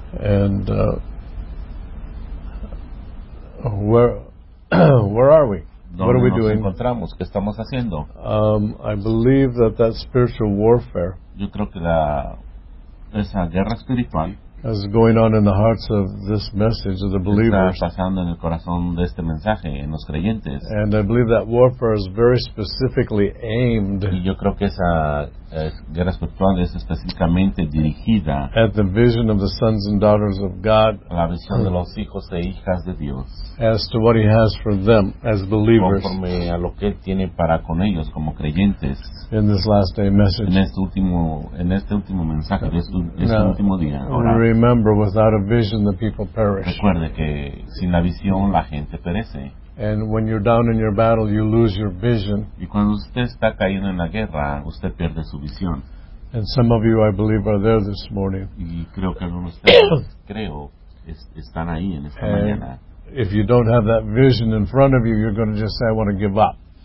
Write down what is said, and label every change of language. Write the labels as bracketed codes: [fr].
[en] And where are we? What are we doing? [es] Encontramos? ¿Qué estamos haciendo? [en] I believe that spiritual warfare, [es] yo creo que la, esa guerra espiritual, [en] is going on in the hearts of this message of the believers. [es] Está pasando en el corazón de este mensaje en los creyentes. [en] And I believe that warfare is very specifically aimed. [es] Y yo creo que esa guerra espiritual es específicamente dirigida [en] at the vision of the sons and daughters of God. [es] La visión de los hijos e hijas de Dios. [en] As to what He has for them as believers. [es] Conforme a lo que Él tiene para con ellos como creyentes. [en] In this last day message. [es] En este último mensaje, este último día. Ahora, [en] remember, without a vision, the people perish. [es] Recuerde que sin la visión la gente perece. [en] And when you're down in your battle, you lose your vision. [es] Y cuando usted está cayendo en la guerra, usted pierde su visión. [en] And some of you, I believe, are there this morning. [es] Y creo que algunos de ustedes, creo, están ahí en esta [en] and [es] mañana. [en] If you don't have that vision in front of you, you're going to just say, "I want to give up."